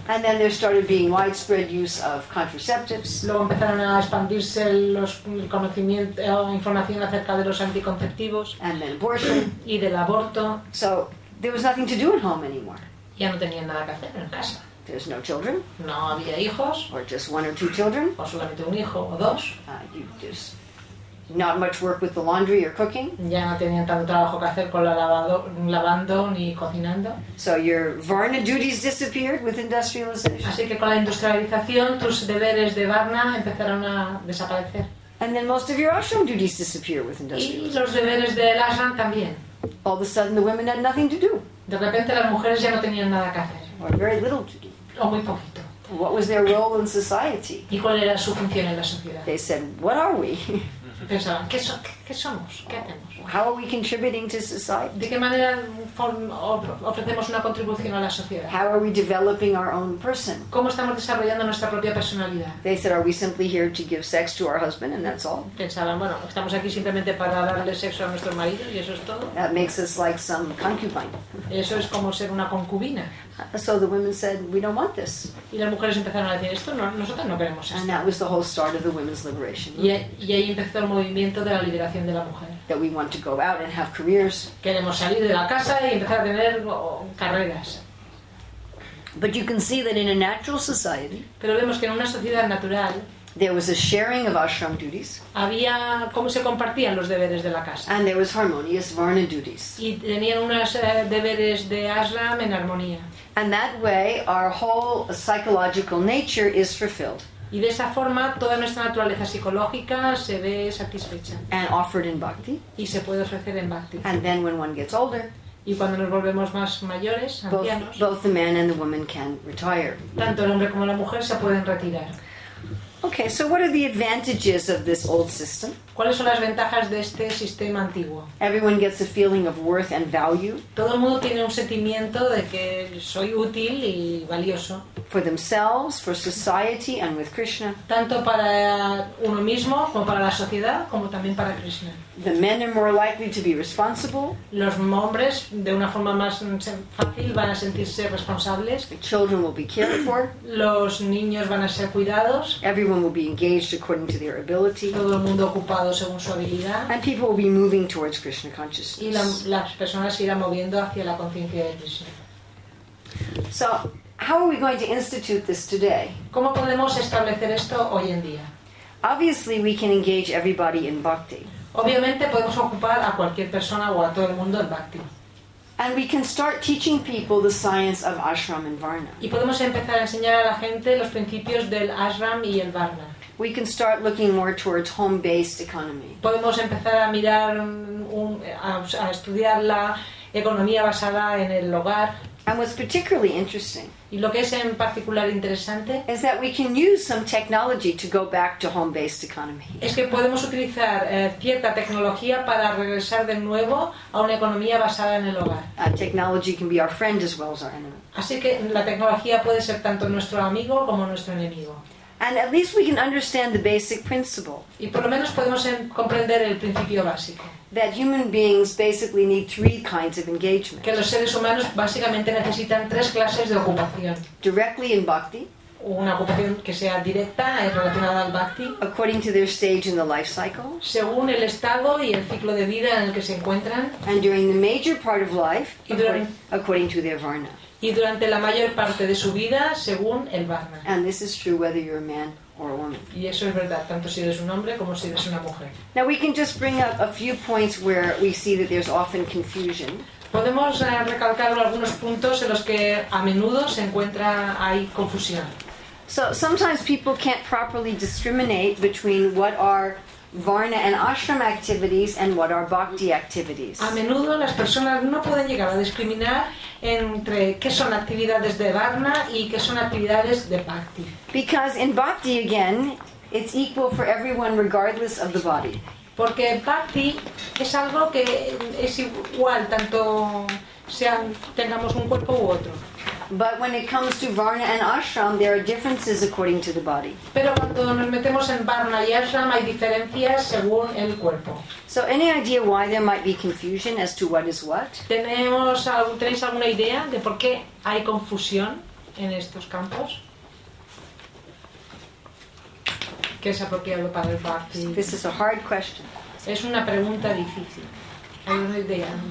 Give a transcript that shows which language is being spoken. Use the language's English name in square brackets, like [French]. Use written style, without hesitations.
[English] And then there started being widespread use of contraceptives. [Spanish] Luego empezaron a expandirse el conocimiento, información acerca de los anticonceptivos. [English] And then abortion. [Spanish] Y del aborto. [English] So there was nothing to do at home anymore. [Spanish] Ya no tenían nada que hacer en casa. [English] There's no children. [Spanish] No había hijos. [English] Or just 1 or 2 children. [Spanish] O solamente un hijo o dos. [English] Not much work with the laundry or cooking. [Spanish] Ya no tenían tanto trabajo que hacer con la lavando ni cocinando. [English] So your varna duties disappeared with industrialization. [Spanish] Así que con la industrialización tus deberes de varna empezaron a desaparecer. [English] And then most of your ashram duties disappeared with industrialization. [Spanish] Y los deberes del ashram también. [English] All of a sudden the women had nothing to do. [Spanish] De repente las mujeres ya no tenían nada que hacer. [English] Or very little to do. [Spanish] O muy poquito. [English] What was their role in society? [Spanish] ¿Y cuál era su función en la sociedad? [English] They said, "What are we?" [Spanish] Pensaban, ¿qué somos? ¿Qué hacemos? [English] How are we contributing to society? [Spanish] ¿De qué manera ofrecemos una contribución a la sociedad? [English] How are we developing our own person? [Spanish] ¿Cómo estamos desarrollando nuestra propia personalidad? [English] They said, are we simply here to give sex to our husband and that's all? [Spanish] Pensaban, bueno, estamos aquí simplemente para darle sexo a nuestro marido y eso es todo. [English] That makes us like some concubine. [Spanish] Eso es como ser una concubina. [English] So the women said, we don't want this. [Spanish] Y las mujeres empezaron a decir esto, no, nosotros no queremos esto. [English] And that was the whole start of the women's liberation. [Spanish] Y ahí empezó el movimiento de la liberación de la mujer. [English] that we want to go out and have careers. [Spanish] Queremos salir de la casa y empezar a tener carreras. [English] But you can see that in a natural society, [Spanish] pero vemos que en una sociedad natural, [English] there was a sharing of ashram duties. [Spanish] Había cómo se compartían los deberes de la casa. [English] And there was harmonious varna duties. [Spanish] Y tenían unos deberes de ashram en armonía. [English] And that way, our whole psychological nature is fulfilled. [Spanish] Y de esa forma, toda nuestra naturaleza psicológica se ve satisfecha. [English] And offered in bhakti. [Spanish] Y se puede ofrecer en bhakti. [English] And then, when one gets older, [Spanish] y cuando nos volvemos más mayores, ancianos, [English] both the man and the woman can retire. [Spanish] Tanto el hombre como la mujer se pueden retirar. [English] Okay, so what are the advantages of this old system? [Spanish] ¿Cuáles son las ventajas de este sistema antiguo? [English] Everyone gets a feeling of worth and value. [Spanish] Todo el mundo tiene un sentimiento de que soy útil y valioso. [English] For themselves, for society, and with Krishna. [Spanish] Tanto para uno mismo como para la sociedad, como también para Krishna. [English] The men are more likely to be responsible. [Spanish] Los hombres, de una forma más fácil, van a sentirse responsables. [English] The children will be cared for. [Spanish] Los niños van a ser cuidados. [English] Everyone will be engaged according to their ability. [Spanish] Todo el mundo ocupado según su habilidad. [English] And people will be moving towards Krishna consciousness. [Spanish] Y las personas se irán moviendo hacia la conciencia de Krishna. [English] So, how are we going to institute this today? [Spanish] ¿Cómo podemos establecer esto hoy en día? [English] Obviously, we can engage everybody in bhakti. [Spanish] Obviamente podemos ocupar a cualquier persona o a todo el mundo en bhakti. [English] And we can start teaching people the science of ashram and varna. [Spanish] Y podemos empezar a enseñar a la gente los principios del ashram y el varna. [English] We can start looking more towards home-based economy. [Spanish] Podemos empezar a mirar a estudiar la economía basada en el hogar. [English] And what's particularly interesting, [Spanish] y lo que es en particular interesante, [English] is that we can use some technology to go back to home-based economy. [Spanish] Es que podemos utilizar cierta tecnología para regresar de nuevo a una economía basada en el hogar. [English] Technology can be our friend as well as our enemy. [Spanish] Así que la tecnología puede ser tanto nuestro amigo como nuestro enemigo. [English] And at least we can understand the basic principle. [Spanish] Y por lo menos podemos comprender el principio básico. [English] That human beings basically need three kinds of engagement. [Spanish] Que los seres humanos básicamente necesitan tres clases de ocupación. [English] Directly in bhakti. [Spanish] Una ocupación que sea directa y relacionada al bhakti. [English] According to their stage in the life cycle. [Spanish] Según el estado y el ciclo de vida en el que se encuentran. [English] And during the major part of life, according to their varna. [Spanish] Y durante la mayor parte de su vida, según el varna. [English] And this is true whether you're a man or a woman. [Spanish] Y eso es verdad, tanto si eres un hombre como si eres una mujer. [English] Now we can just bring up a few points where we see that there's often confusion. [Spanish] Podemos recalcar algunos puntos en los que a menudo se encuentra hay confusión. [English] So sometimes people can't properly discriminate between what are varna and ashram activities and what are bhakti activities. [Spanish] A menudo las personas no pueden llegar a discriminar entre qué son actividades de varna y qué son actividades de bhakti. [English] Because in bhakti again, it's equal for everyone regardless of the body. [Spanish] Porque bhakti es algo que es igual tanto sea tengamos un cuerpo u otro. [English] But when it comes to varna and ashram, there are differences according to the body. [Spanish] Pero cuando nos metemos en varna y ashram, hay diferencias según el cuerpo. [English] So, any idea why there might be confusion as to what is what? [Spanish] ¿Tenéis alguna idea de por qué hay confusión en estos campos? ¿Qué es apropiado para el bhakti? [English] This is a hard question. [Spanish] Es una pregunta difícil. ¿Hay una idea?